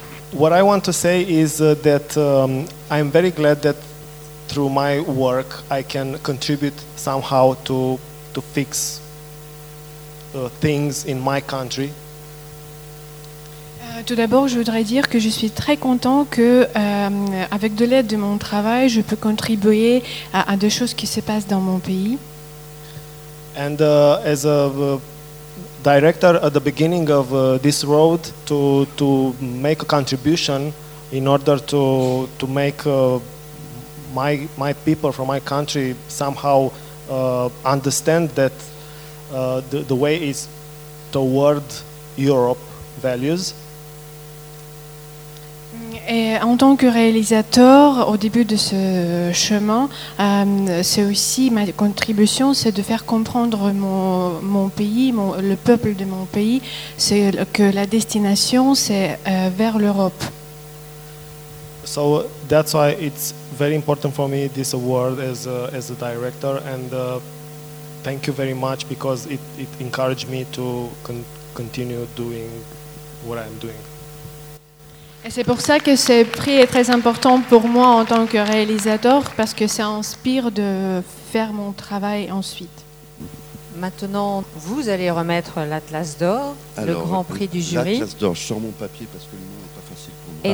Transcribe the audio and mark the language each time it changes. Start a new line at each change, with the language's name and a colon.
English: What I want to say is that I'm very glad that through my work I can contribute somehow to fix things in my country.
French: Tout d'abord, je voudrais dire que je suis très content que, avec de l'aide de mon travail, je peux contribuer à des choses qui se passent dans mon pays.
English: And as a director at the beginning of this road to make a contribution in order to make my people from my country somehow understand that the way is toward Europe values.
French: Et en tant que réalisateur, au début de ce chemin, c'est aussi ma contribution, c'est de faire comprendre mon pays, le peuple de mon pays, c'est que la destination, c'est vers l'Europe.
English: So that's why it's very important for me this award as a director, and thank you very much because it encouraged me to continue doing what I'm doing.
French: Et c'est pour ça que ce prix est très important pour moi en tant que réalisateur, parce que ça inspire de faire mon travail ensuite. Maintenant, vous allez remettre l'Atlas d'or, le grand prix du jury. L'Atlas d'or, je sors mon papier parce que le nom n'est pas facile pour moi.